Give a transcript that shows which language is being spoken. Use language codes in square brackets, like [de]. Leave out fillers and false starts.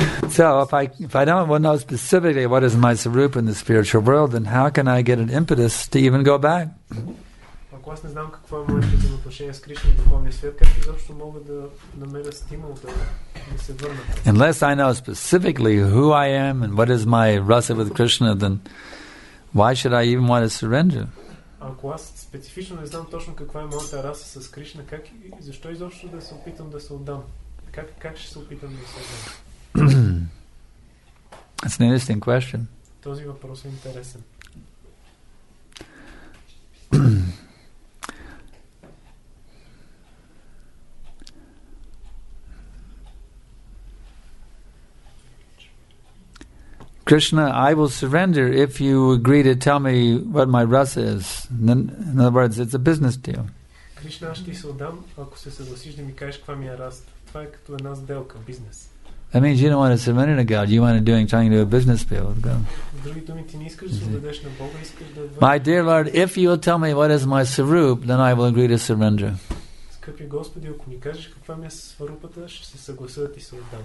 [en] So if I don't know specifically what is my sarupa in the spiritual world, then how can I get an impetus to even go back? [bg] Ако аз не знам какво е моето взаимоотношение с Кришна в духовния свят, как изобщо мога да намеря стимул да се върна? [en] Unless I know specifically who I am and what is my rasa with Krishna, then why should I even want to surrender? [bg] Ако аз специфично не знам точно каква е моята раса с Кришна, как и защо изобщо да се опитам да се отдам? Как ще се опитам да се отдам? [en] That's an interesting question. [bg] Този въпрос е интересен. [en] Krishna, I will surrender if you agree to tell me what my rasa is. In other words, it's a business deal. [bg] Krishna, ще се отдам, ако се съгласиш да ми кажеш каква ми е раса. Това е като една сделка, бизнес. [en] That means you don't want to surrender to God. You want to trying to do a business deal with God. [bg] Други думи, ти не искаш да се отдадеш на Бога, искаш да. [en] My dear Lord, if you will tell me what is my sarup, then I will agree to surrender. [bg] Скъпи Господи, ако ми кажеш каква ми е сварупата, ще се съглася да ти се отдам.